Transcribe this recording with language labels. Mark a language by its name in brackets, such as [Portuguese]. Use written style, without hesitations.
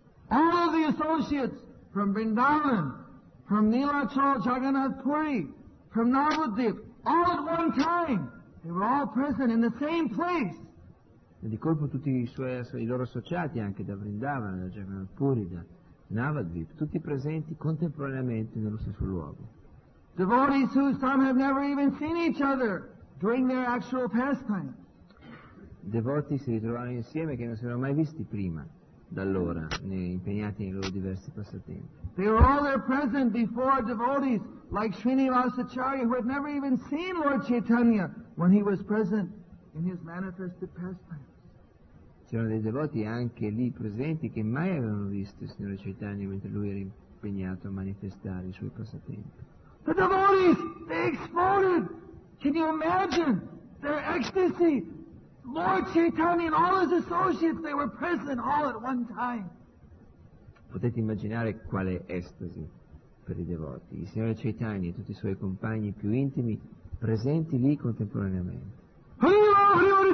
[English] All of the associates from Vrindavan, from Nilachal Jagannath Puri, from Navadvip, all at one time, they were all present in the same place. [Italian] E di colpo tutti i loro associati, anche da Vrindavan, da Jagannath Puri, da Navadvip, tutti presenti contemporaneamente nello stesso luogo. [English] Devotees who some have never even seen each other during their actual pastime. [Italian] Devoti si ritrovarono insieme che non si erano mai visti prima, da allora, impegnati nei loro diversi passatempi. [English] They were all there present before devotees like Srinivas Acharya who had never even seen Lord Chaitanya when he was present in his manifested pastime. [Italian] C'erano dei devoti anche lì presenti che mai avevano visto il Signore Chaitanya mentre lui era impegnato a manifestare i suoi passatempi. [English] The devotees, they exploded. Can you imagine their ecstasy? Lord Chaitanya and all his associates, they were present all at one time. [Italian] Potete immaginare quale estasi per i devoti. Il Signore Chaitanya e tutti i suoi compagni più intimi presenti lì contemporaneamente.